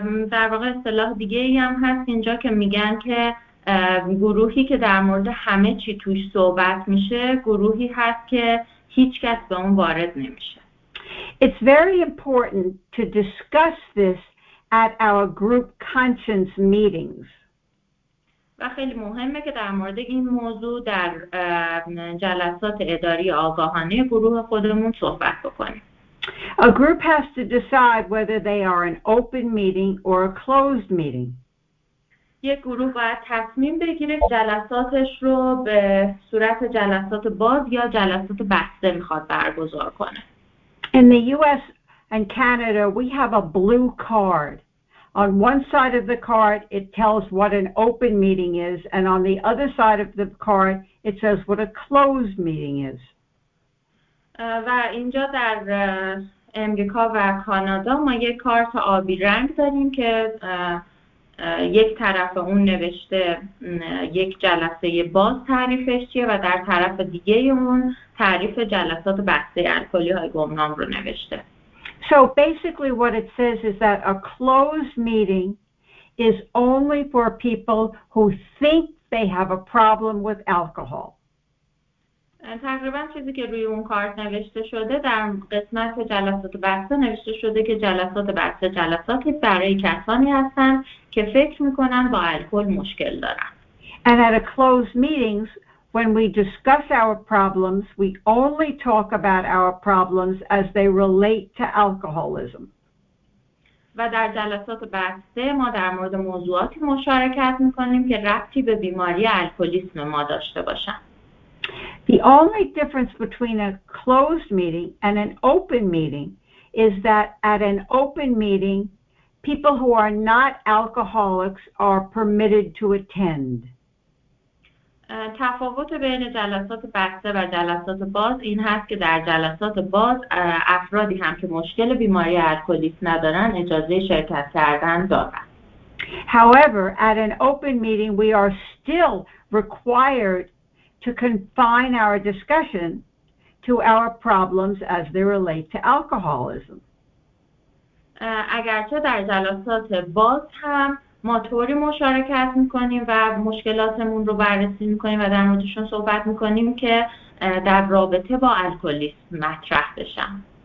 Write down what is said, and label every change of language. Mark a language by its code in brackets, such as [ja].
[fa] در واقع اصطلاح دیگه‌ای هم هست اینجا که میگن که گروهی که در مورد همه چی توش صحبت میشه گروهی هست که هیچ کس به اون وارد نمیشه. [en] It's very important to discuss this at our group conscience meetings. [fa] و خیلی مهمه که در مورد این موضوع در جلسات اداری آگاهانه گروه خودمون صحبت بکنیم. [en] A group has to decide whether they are an open meeting or a closed meeting. [fa] یک گروه باید تصمیم بگیره جلساتش رو به صورت جلسات باز یا جلسات بسته میخواد برگزار کنه. [en] In the US and Canada, we have a blue card. On one side of the card, it tells what an open meeting is, and on the other side of the card, it says what a closed meeting is. [fa] و اینجا در امریکا و کانادا ما یک کارت آبی رنگ داریم که یک طرف اون نوشته یک جلسه باز تعریفش چیه و در طرف دیگه اون تعریف جلسات بسته الکلی های گمنام رو نوشته. [en] So basically what it says is that a closed meeting is only for people who think they have a problem with alcohol. [fa] تقریبا چیزی که روی اون کارت نوشته شده در قسمت جلسات بحثه نوشته شده که جلسات بحثه جلساتی برای کسانی هستن که فکر میکنن با الکل مشکل دارن. [en] And at a closed meetings, when we discuss our problems, we only talk about our problems as they relate to alcoholism. [fa] و در جلسات بحثه ما در مورد موضوعاتی مشارکت میکنیم که ربطی به بیماری الکلیسم ما داشته باشن. [en] The only difference between a closed meeting and an open meeting is that at an open meeting, people who are not alcoholics are permitted to attend. [fa] تفاوت بین جلسات بسته و جلسات باز این هست که در جلسات باز افرادی هم که مشکل بیماری الکلیسم ندارن اجازه شرکت کردن دارن. [en] However, at an open meeting, we are still required to confine our discussion to our problems as they relate to alcoholism. [fa] اگرچه در جلسات باز هم ما طوری مشارکت میکنیم و مشکلاتمون رو بررسی میکنیم و در موردشون صحبت میکنیم که در رابطه با الکلیسم مطرح بشن.